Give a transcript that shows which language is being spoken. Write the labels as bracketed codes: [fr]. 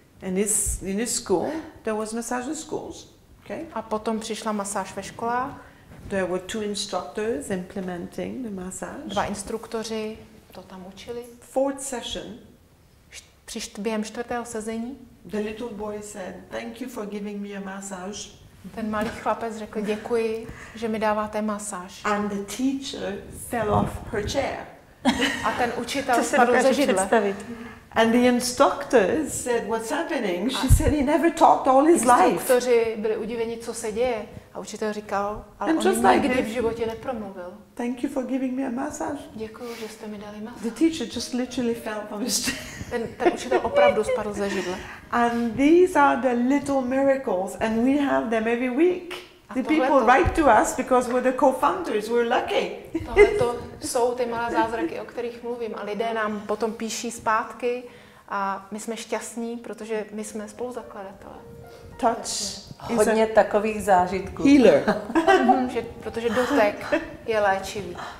[en] And in his school there was massage in schools. Okay. [cs] A potom přišla masáž ve školách. [en] There were two instructors implementing the massage. [cs] Dva instruktoři to tam učili. [en] Fourth session. [cs] Během čtvrtého sezení. [en] The little boy said, "Thank you for giving me a massage." [cs] Ten malý chlapec řekl, děkuji, že mi dáváte masáž. [en] And the teacher fell off her chair. [cs] A ten učitel spadl ze židle. [en] And the instructor said, "What's happening?" She said, "He never talked all his life." [cs] Instruktoři byli udiveni, co se děje, a učitel říkal, ale [en] and [cs] on nikdy [en] like [cs] v životě nepromluvil. [en] Thank you for giving me a massage. [cs] Děkuju, že jste mi dali masáž. [en] The teacher just literally fell from his chair. [cs] Ten učitel opravdu spadl ze židle. [en] And these are the little miracles, and we have them every week. The people write to us because we're the co-founders. We're lucky. [cs] To jsou ty malé zázraky, o kterých mluvím, a lidé nám potom píší zpátky a my jsme šťastní, protože my jsme spoluzakladatelé. [en] Touch. [cs] Hodně takových zážitků. [en] Healer. [cs] Protože dotek je léčivý.